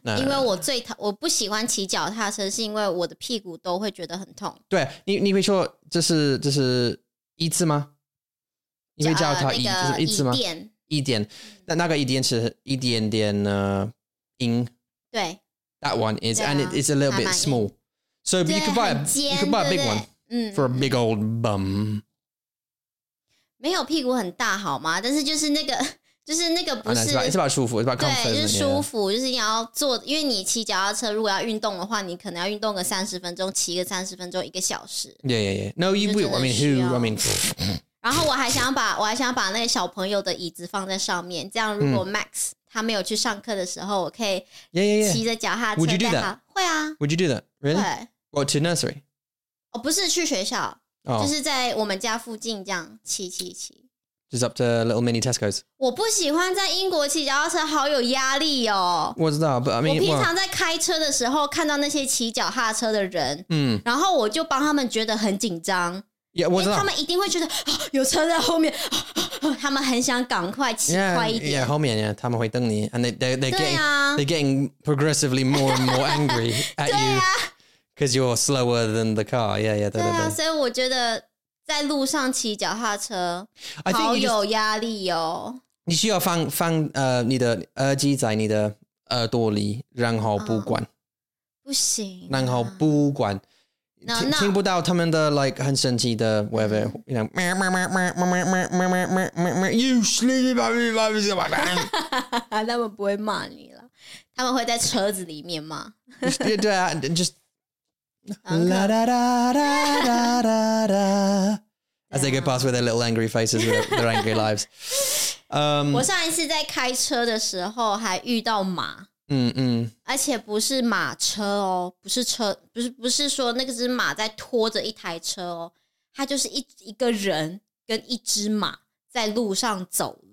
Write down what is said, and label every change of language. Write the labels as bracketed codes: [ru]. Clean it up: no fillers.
[zh] No, 因为我不喜欢骑脚踏车，是因为我的屁股都会觉得很痛。对啊，你会说这是一次吗? 因为叫它一次吗？一点，那个一点是一点点硬。对 [en] ，That one is,、啊、and it's a little bit small. So you could buy a big one、for a big old bum. [zh] 没有屁股很大好吗？但是就是那个不是、 [en] It's about [zh] 舒服 [en] ，It's about comfort. [zh] 对，就是舒服，就是你要坐，因为你骑脚踏车如果要运动的话，你可能要运动个三十分钟，骑个三十分钟，一个小时。 [en] Yeah. No, you will. I mean. [zh] 然后我还想把那个小朋友的椅子放在上面，这样如果 Max 他没有去上课的时候，我可以骑着脚踏车带他。 [en] Yeah, yeah, yeah. Would you do that? [zh] 会啊。 [en] Would you do that? Really? Go to nursery? [zh] 哦，不是去学校， oh. 就是在我们家附近这样骑骑骑。 [en] Just up to little mini Tesco's. [zh] 我不喜欢在英国骑脚踏车，好有压力哦。我知道 ， [en] but I mean, [zh] 我平常在开车的时候看到那些骑脚踏车的人，然后我就帮他们觉得很紧张。 [en] Yeah, [zh] 因为他们一定会觉得、哦、有车在后面、哦哦、他们很想赶快骑快一点 [en] yeah, [zh] 后面 [en] yeah, [zh] 他们会等你 [en] and they're getting progressively more and more angry at you because、啊、 you're slower than the car yeah, yeah, [zh] 对啊对所以我觉得在路上骑脚踏车好有压力哦你需要放你的耳机在你的耳朵里然后不管、不行、然后不管听不到他们的 [en] like [zh] 很神奇的 [en] whatever you know meh meh meh meh meh meh meh meh meh meh meh meh you sleepy baby baby [zh] 什么的，他们不会骂你了，他们会在车子里面骂。对啊 [en] ，just la da da da da da da as they go past with their little angry faces with their angry lives. [zh] 我上一次在开车的时候还遇到马。而且不是马车哦，不是车，不是说那个只马在拖着一台车哦，它就是一个人跟一只马在路上走路。